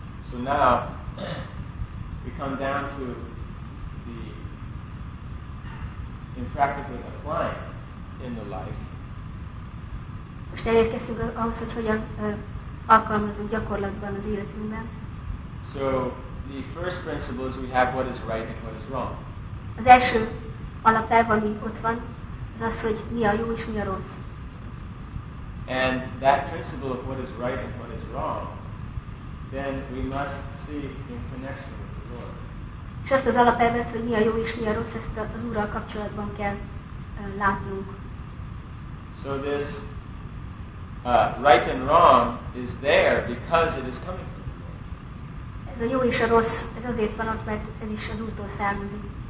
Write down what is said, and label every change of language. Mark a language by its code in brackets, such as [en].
[en] So now we come down to the impractical applying in the life. [hu] Most elérkeztünk ahhoz, hogy hogyan alkalmazunk gyakorlatban az életünkben. [en] So the first principles we have what is right and what is wrong. [hu] Az első alapelv, ami ott van, az az, hogy mi a jó és mi a rossz. [en] And that principle of what is right and what is wrong, then we must see in connection with the Lord. [hu] És azt az alapelvet, hogy mi a jó és mi a rossz, ezt az Úrral kapcsolatban kell látnunk. [en] So this right and wrong is there because it is coming from the Lord. [hu] Ez a jó és a rossz, ez azért van ott, mert ez is az Úrtól származik.